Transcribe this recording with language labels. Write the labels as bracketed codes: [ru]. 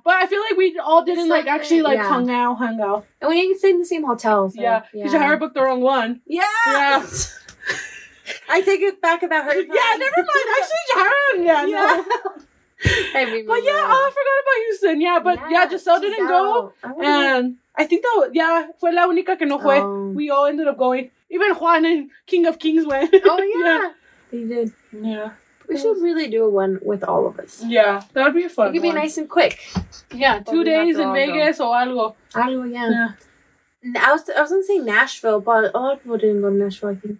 [en] But I feel like we all didn't, hung out. And we didn't stay in the same hotel. So, yeah. Because Jahara booked the wrong one. Yeah. Yeah. I take it back about her. Yeah, never mind. Actually, Jahara. Yeah. No. But I forgot about Houston. Yeah, but Giselle didn't go. I think that, [es] fue la única que no fue. [en] We all ended up going. Even Juan and King of Kings went. Oh, yeah. They did. Yeah. We should really do one with all of us. Yeah, that would be a fun one. It could be nice and quick. Yeah, 2 days in Vegas or algo. Algo, yeah. I was going to say Nashville, but a lot of people didn't go to Nashville, I think.